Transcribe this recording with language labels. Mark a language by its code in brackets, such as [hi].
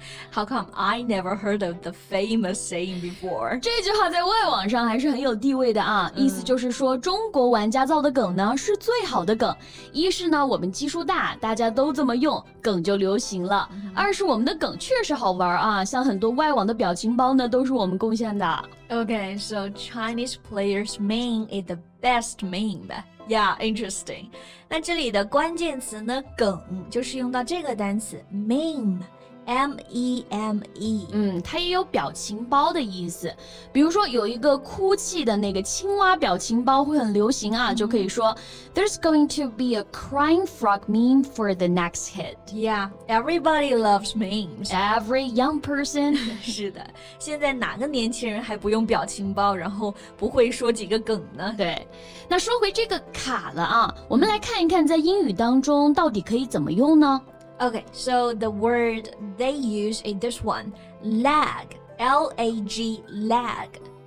[en] How come I never heard of the famous saying before [zh] 这句话在外网上还是很有地位的啊意思就是说中国玩家造的梗呢是最好的梗一是呢我们基数大大家都这么用梗就流行了二是我们的梗确实好玩啊像很多外网的表情包呢都是我们贡献的 [en] Okay, so Chinese players meme is the best meme Yeah, interesting [zh] 那这里的关键词呢梗就是用到这个单词 [en] memeM-E-M-E [zh] 它也有表情包的意思比如说有一个哭泣的那个青蛙表情包会很流行啊、就可以说 [en] There's going to be a crying frog meme for the next hit Yeah, everybody loves memes Every young person [zh] 是的现在哪个年轻人还不用表情包然后不会说几个梗呢对那说回这个卡了啊我们来看一看在英语当中到底可以怎么用呢 [en] Okay, so the word they use is this one, lag, L-A-G, lag.